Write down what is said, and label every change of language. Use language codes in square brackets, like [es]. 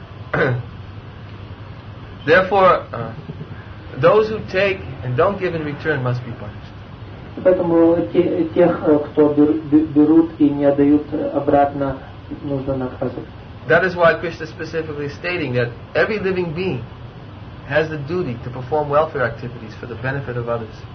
[en] Therefore, those who take and don't give in return must be punished. [ru] Поэтому тех, кто берут и не отдают обратно, нужно наказывать. [en] That is why Krishna is specifically stating that every living being has the duty to perform welfare activities for the benefit of others.